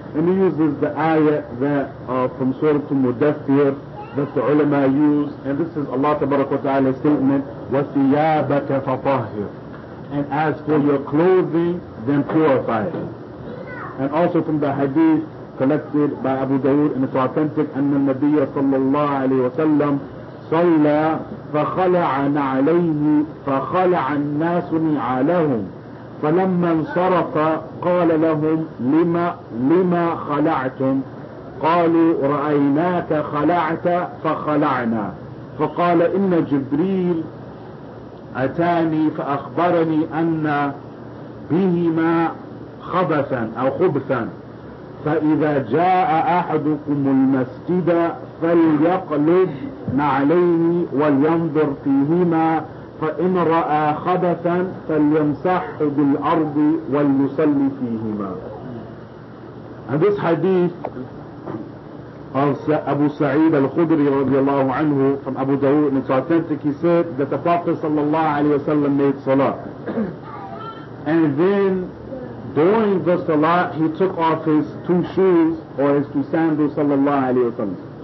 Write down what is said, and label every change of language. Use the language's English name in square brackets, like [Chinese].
[English] And he uses the ayah that from Surah Al-Mudaththir that the ulama use, and this is Allah tabaraka wa ta'ala's statement, [Arabic] وَثِيَابَكَ فَطَهِّرْ, [English] and as for your clothing, then purify it. And also from the hadith collected by Abu Dawood, and it's authentic. [Arabic] أن النبي صلى الله عليه وسلم صلى فخلع نعليه فخلع الناس نعالهم فلما انصرف قال لهم لما خلعتم قالوا رأيناك خلعت فخلعنا فقال إن جبريل أتاني فأخبرني أن بهما خبثا أو خبثا فإذا جاء أحدكم المسجد فليقلب نعليه ولينظر فيهما فإن رأى خبثا فليمسح بالأرض وليصلي فيهما. [English] And this hadith of Abu Sa'id al-Khudri [Arabic] رضي الله عنه [English] from Abu Dawood, it's authentic. He said that the Prophet [Arabic] صلى الله عليه وسلم [English] made salah. And then during the salah, he took off his two shoes or his two sandals صلى الله عليه وسلم.